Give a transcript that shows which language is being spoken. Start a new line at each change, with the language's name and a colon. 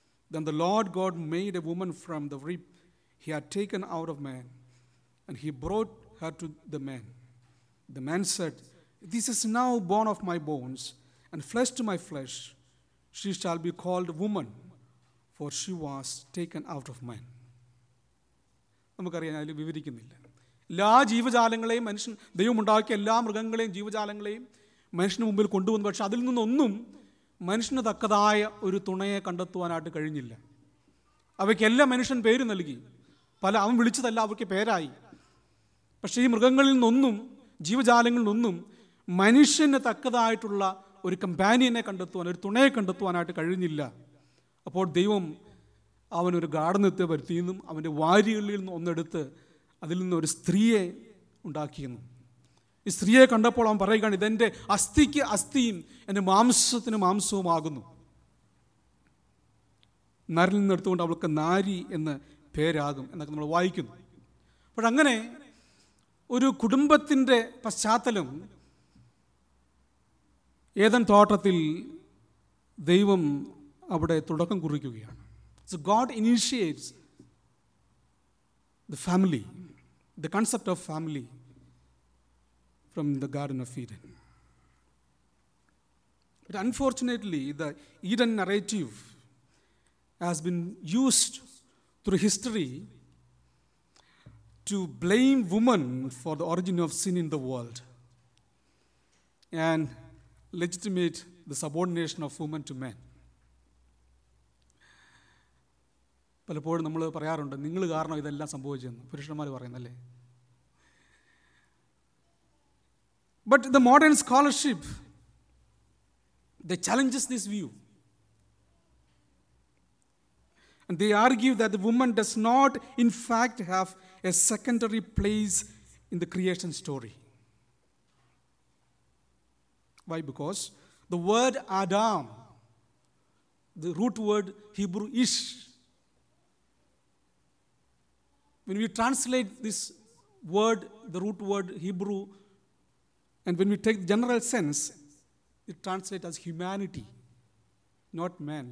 English: Then the Lord God made a woman from the rib he had taken out of man, and he brought her to the man. The man said, "This is now bone of my bones and flesh to my flesh. She shall be called woman, for she was taken out of man."
Malayalam: നമുക്കറിയാം, അതിൽ വിവരിക്കുന്നില്ല. എല്ലാ ജീവജാലങ്ങളെയും മനുഷ്യൻ, ദൈവം ഉണ്ടാക്കിയ എല്ലാ മൃഗങ്ങളെയും ജീവജാലങ്ങളെയും മനുഷ്യന് മുമ്പിൽ കൊണ്ടുവന്നു. പക്ഷെ അതിൽ നിന്നൊന്നും മനുഷ്യന് തക്കതായ ഒരു തുണയെ കണ്ടെത്തുവാനായിട്ട് കഴിഞ്ഞില്ല. അവയ്ക്കെല്ലാം മനുഷ്യൻ പേര് നൽകി, പല അവൻ വിളിച്ചതല്ല അവർക്ക് പേരായി. പക്ഷേ ഈ മൃഗങ്ങളിൽ നിന്നൊന്നും, ജീവജാലങ്ങളിൽ നിന്നൊന്നും മനുഷ്യന് തക്കതായിട്ടുള്ള ഒരു കമ്പാനിയനെ കണ്ടെത്തുവാൻ, ഒരു തുണയെ കണ്ടെത്തുവാനായിട്ട് കഴിഞ്ഞില്ല. അപ്പോൾ ദൈവം അവനൊരു ഗാർഡനെത്തി വരുത്തിയെന്നും അവൻ്റെ വാരികളിൽ നിന്ന് ഒന്നെടുത്ത് അതിൽ നിന്നൊരു സ്ത്രീയെ ഉണ്ടാക്കിയെന്നും, ഈ സ്ത്രീയെ കണ്ടപ്പോൾ അവൻ പറയുകയാണ്, ഇതെൻ്റെ അസ്ഥിക്ക് അസ്ഥിയും എൻ്റെ മാംസത്തിന് മാംസവുമാകുന്നു. നരിൽ നിന്നെടുത്തുകൊണ്ട് അവൾക്ക് നാരി എന്ന് പേരാകും എന്നൊക്കെ നമ്മൾ വായിക്കുന്നു. അപ്പോൾ അങ്ങനെ ഒരു കുടുംബത്തിൻ്റെ പശ്ചാത്തലം, ഏദൻ തോട്ടത്തിൽ ദൈവം അവിടെ തുടക്കം കുറിക്കുകയാണ്.
English: So God initiates the family, the concept of family, from the Garden of Eden. But unfortunately, the Eden narrative has been used through history to blame women for the origin of sin in the world and legitimate the subordination of women to men.
Malayalam: പലപ്പോഴും നമ്മൾ പറയാറുണ്ട്, നിങ്ങൾ കാരണം ഇതെല്ലാം സംഭവിച്ചെന്ന് പുരുഷന്മാർ പറയുന്നല്ലേ.
English: But the modern scholarship the challenges this view and they argue that the woman does not in fact have a secondary place in the creation story. Why? Because the word Adam, the root word Hebrew ish, when we translate this word, the root word Hebrew, and when we take the general sense, it translates as humanity, not man.